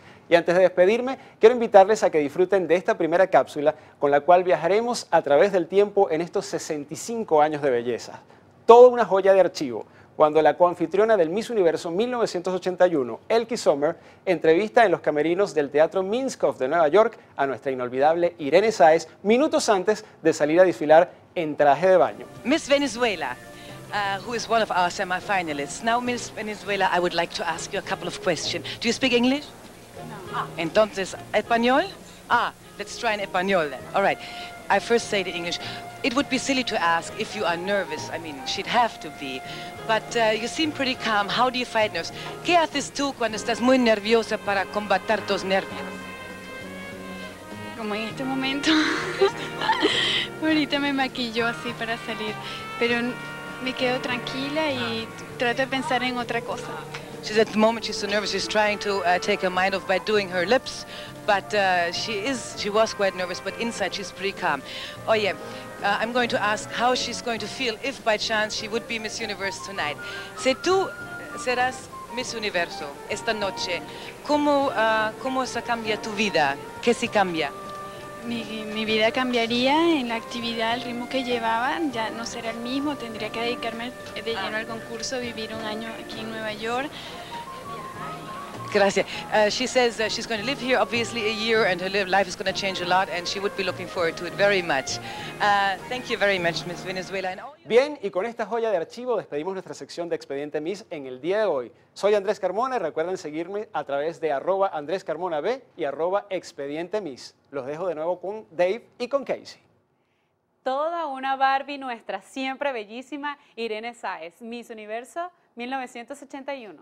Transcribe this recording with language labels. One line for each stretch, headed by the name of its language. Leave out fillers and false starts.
Spanish: Y antes de despedirme, quiero invitarles a que disfruten de esta primera cápsula con la cual viajaremos a través del tiempo en estos 65 años de belleza. Toda una joya de archivo. Cuando la coanfitriona del Miss Universo 1981, Elke Sommer, entrevista en los camerinos del Teatro Minskoff de Nueva York a nuestra inolvidable Irene Sáez, minutos antes de salir a desfilar en traje de baño.
English: Miss Venezuela, who is one of our semifinalists. Now, Miss Venezuela, I would like to ask you a couple of questions. Do you speak English? No. Ah,
Spanish: entonces, ¿español?
English: Ah, let's try in español then. All right. I first say the English. It would be silly to ask if you are nervous. I mean, she'd have to be. But you seem pretty calm. How do you fight nerves?
Spanish: ¿Qué haces tú cuando estás muy nerviosa para combatir tus nervios? Como en este momento. Ahorita me maquillo así para salir. Pero me quedo tranquila y trato de pensar en otra cosa.
English: She's at the moment, she's so nervous, she's trying to take her mind off by doing her lips. But she was quite nervous, but inside she's pretty calm. Oh yeah, I'm going to ask how she's going to feel if by chance she would be Miss Universe tonight.
Spanish: Si tú serás Miss Universo esta noche, ¿cómo se cambia tu vida? ¿Qué se cambia? Mi vida cambiaría en la actividad, el ritmo que llevaban, ya no será el mismo, tendría que dedicarme de lleno al concurso, vivir un año aquí en Nueva York. Gracias.
English: She says she's going to live here, obviously, a year, and her life is going to change a lot, and she would be looking forward to it very much. Thank you very much, Miss Venezuela.
Spanish: Bien, y con esta joya de archivo despedimos nuestra sección de Expediente Miss en el día de hoy. Soy Andrés Carmona y recuerden seguirme a través de @AndrésCarmonaB y @ExpedienteMiss. Los dejo de nuevo con Dave y con Casey. Toda una Barbie nuestra, siempre bellísima, Irene Sáez, Miss Universo 1981.